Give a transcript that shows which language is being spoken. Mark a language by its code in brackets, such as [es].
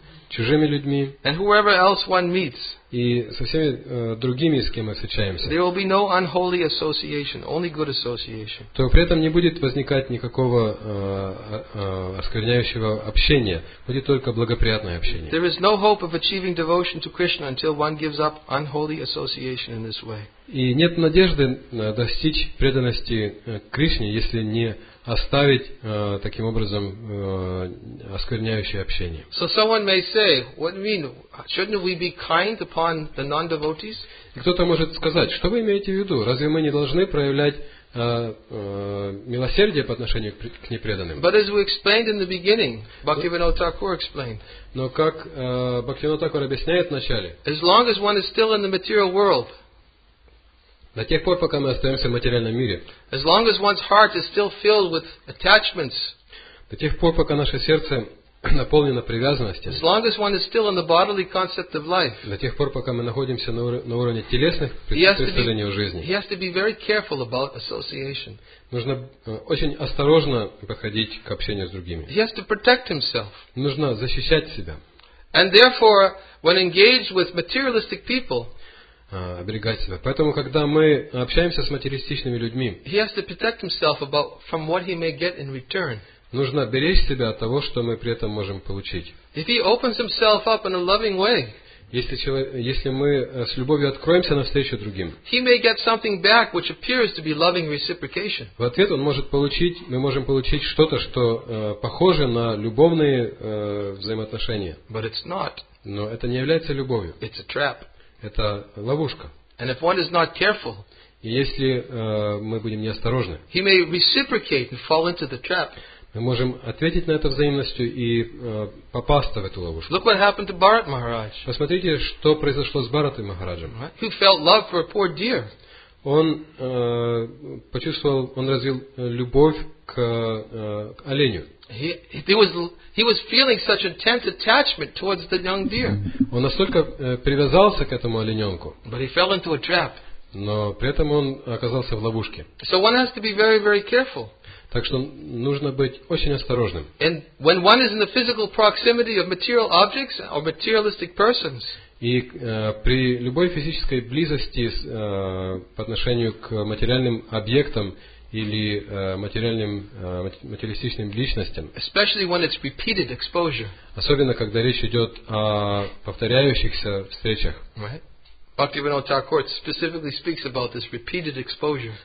[ru] чужими людьми, [en] and whoever else one meets, [ru] и со всеми другими, с кем мы встречаемся, [en] there will be no unholy association, only good association. [ru] То при этом не будет возникать никакого оскверняющего общения, будет только благоприятное общение. [en] There is no hope of achieving devotion to Krishna until one gives up unholy association in this way. [ru] И нет надежды достичь преданности Кришне, если не оставить таким образом оскверняющее общение. [en] So someone may say, what do you mean? Shouldn't we be kind upon the non-devotees? [ru] Кто-то может сказать, что вы имеете в виду? Разве мы не должны проявлять милосердие по отношению к непреданным? [en] But as we explained in the beginning, Bhaktivinoda Thakur explained. [ru] Но как Бхактивинода Такур объясняет вначале? [en] As long as one is still in the material world. [ru] До тех пор, пока мы остаемся в материальном мире. [en] As long as one's heart is still filled with attachments. [ru] До тех пор, пока наше сердце наполнено привязанностями. [en] As long as one is still in the bodily concept of life. [ru] До тех пор, пока мы находимся на уровне телесных представлений о жизни. [en] He has to be very careful about association. [ru] Нужно очень осторожно подходить к общению с другими. [en] He has to protect himself. [ru] Нужно защищать себя. [en] And therefore, when engaged with materialistic people, [ru] оберегать себя. Поэтому, когда мы общаемся с материалистичными людьми, [en] he has to protect himself about from what he may get in return. [ru] Нужно беречь себя от того, что мы при этом можем получить. [en] If he opens himself up in a loving way, [ru] если мы с любовью откроемся навстречу другим, [en] he may get something back, which appears to be loving reciprocation. [ru] В ответ он может получить, мы можем получить что-то, что похоже на любовные взаимоотношения. [en] But it's not. [ru] Но это не является любовью. [en] It's a trap. [ru] Это ловушка. [en] And if one is not careful, [ru] и если мы будем неосторожны, [en] he may reciprocate and fall into the trap. [ru] Мы можем ответить на это взаимностью и попасть в эту ловушку. [en] Look what happened to Bharat Maharaj. [ru] Посмотрите, что произошло с Бхаратой Махараджем. [en] He felt love for a poor deer. [ru] Он почувствовал, он развил любовь к оленю. [en] He was feeling such intense attachment towards the young deer. [ru] Он настолько привязался к этому олененку. [en] But he fell into a trap. [ru] Но при этом он оказался в ловушке. [en] So one has to be very, very careful. [ru] Так что нужно быть очень осторожным. [en] And when one is in the physical proximity of material objects or materialistic persons. [ru] И при любой физической близости по отношению к материальным объектам или материалистичным личностям. [en] Especially when it's repeated exposure. [ru] Особенно когда речь идет о повторяющихся встречах. [en] Right. Bhaktivinoda Thakur specifically speaks about this repeated exposure.